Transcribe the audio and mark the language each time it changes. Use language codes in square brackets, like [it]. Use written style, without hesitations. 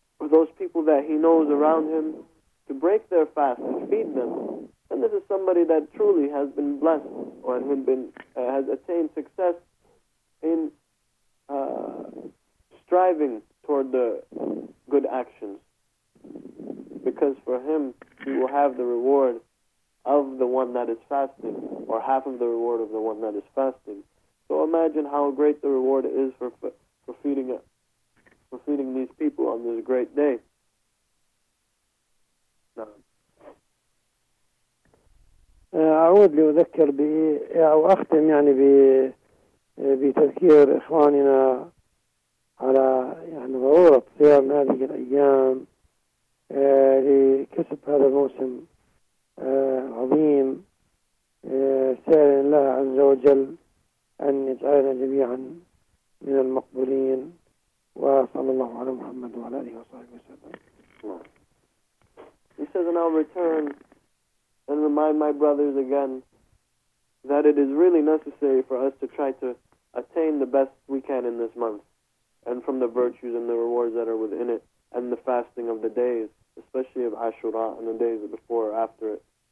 [en] those people that he knows around him, to break their fast and feed them, and this is somebody that truly has been blessed or has attained success in striving toward the good actions, because for him he will have the reward of the one that is fasting, or half of the reward of the one that is fasting. So imagine how great the reward is for feeding these people on this great day. [ar] أعود لأذكر أو أختم يعني بتذكير إخواننا على يعني ضرورة صيام هذه الأيام لكسب هذا الموسم عظيم، سائلا الله عز وجل أن يجعلنا جميعا من المقبولين، وصلى الله على محمد وعلى آله وصحبه وسلم. [en] He says, and I'll return and remind my brothers again that it is really necessary for us to try to attain the best we can in this month, and from the virtues and the rewards that are within it, and the fasting of the days, especially of Ashura and the days before or after it.